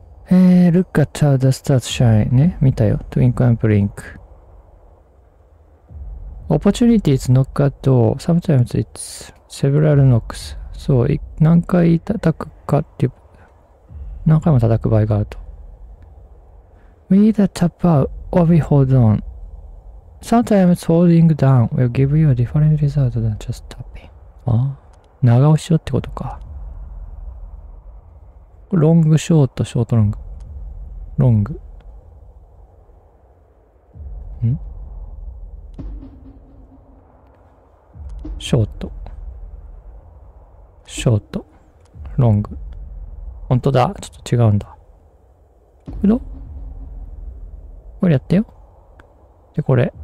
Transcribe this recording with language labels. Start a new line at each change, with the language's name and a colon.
English: Look at how the stars shine.
Japanese: ね、見たよ。
English: Twinkle and blink. Opportunities knock at door. Sometimes it's several knocks.
Japanese: そう、何回叩くかっていう。何回も叩く場合があると。
English: We either tap out or we hold on. Sometimes holding down will give you a different result than just tapping.
Japanese: ああ、長押しをってことか。ロングショート、ショートロング。ロング。ん？ショート。ショート。ロング。本当だ。ちょっと違うんだ。これどう？これやってよ。で、これ。